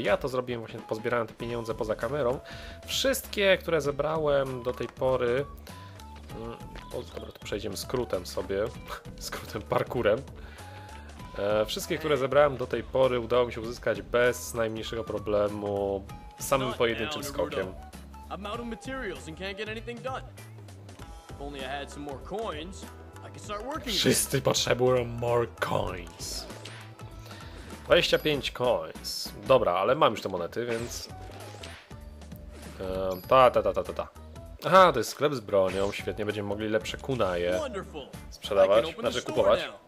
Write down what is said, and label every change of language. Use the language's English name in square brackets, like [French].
[Polish] Ja to zrobiłem właśnie, pozbierałem te pieniądze poza kamerą. Wszystkie, które zebrałem do tej pory... dobra, tu przejdziemy skrótem sobie, skrótem parkurem. Wszystkie, które zebrałem do tej pory, udało mi się uzyskać bez najmniejszego problemu, samym pojedynczym skokiem. [English] I'm out of materials and can't get anything done. If only I had some more coins, I could start working. [Polish] Wszyscy potrzebują [English] more coins. 25 coins. [Polish] Dobra, ale mam już te monety, więc... Ta. Aha, to jest sklep z bronią. Świetnie, będziemy mogli lepsze kunaje sprzedawać, znaczy kupować.